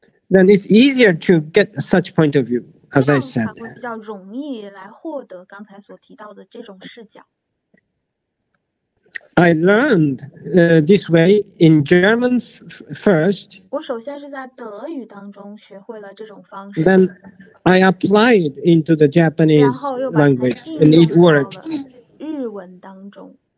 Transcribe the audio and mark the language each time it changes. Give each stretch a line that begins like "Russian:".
English: then it's easier to get such point of view, as I said.
Chinese: 才会比较容易来获得刚才所提到的这种视角。
English: I learned this way in German first.
Chinese: 我首先是在德语当中学会了这种方式。
English: Then I applied into the Japanese language, and it worked.
Chinese: 日文当中。